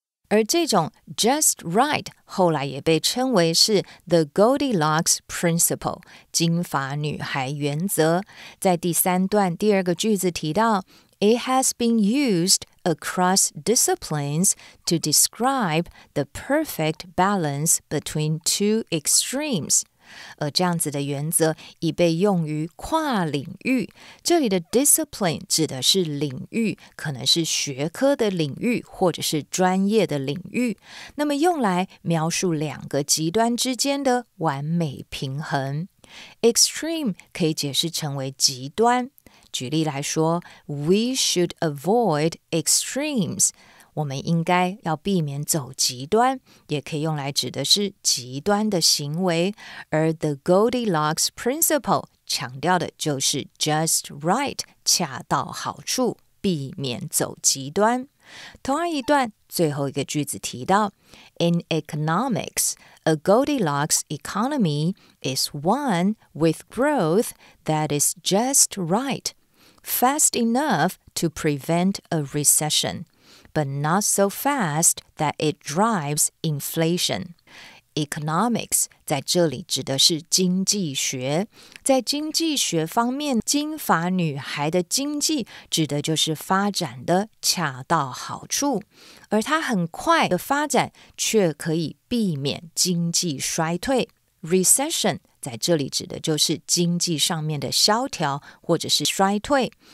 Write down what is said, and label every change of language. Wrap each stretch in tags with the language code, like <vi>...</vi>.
<zh>而这种 just right 后来也被称为是 the Goldilocks principle 金发女孩原则。在第三段第二个句子提到</zh> <en>It has been used across disciplines to describe the perfect balance between two extremes.</en> <zh>而这样子的原则已被用于跨领域。这里的 discipline 指的是领域，可能是学科的领域或者是专业的领域，那么用来描述两个极端之间的完美平衡。 Extreme 可以解释成为极端，举例来说</zh> <en>We should avoid extremes，</en> <zh>我们应该要避免走极端，也可以用来指的是极端的行为。而 The Goldilocks Principle 强调的就是 just right， 恰到好处，避免走极端。同样一段最后一个句子提到</zh> <en>In economics, a Goldilocks economy is one with growth that is just right, fast enough to prevent a recession, but not so fast that it drives inflation.</en> <zh>Economics 在这里指的是经济学。在经济学方面，金发女孩的经济指的就是发展的恰到好处，而它很快的发展却可以避免经济衰退。 Recession 在这里指的就是经济上面的萧条或者是衰退。</zh>